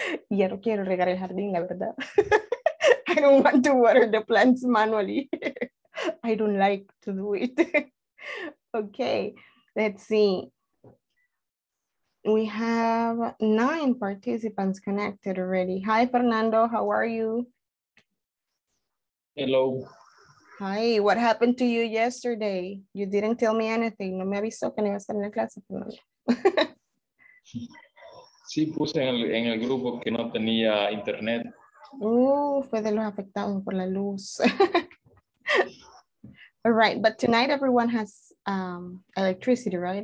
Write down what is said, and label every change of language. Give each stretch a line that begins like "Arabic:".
Spanish: Ya no quiero regar el jardín, la verdad.
English: I don't want to water the plants manually. I don't like to do it. Okay, let's see. We have 9 participants connected already. Hi, Fernando, how are you? Hello. Hi, what happened to you yesterday? You didn't tell me anything.
Spanish: No me avisó que no iba a estar en la clase, Fernando. Sí, puse en el grupo que no tenía internet. Fue de los afectados por la luz.
English: All right, but tonight everyone has electricity, right?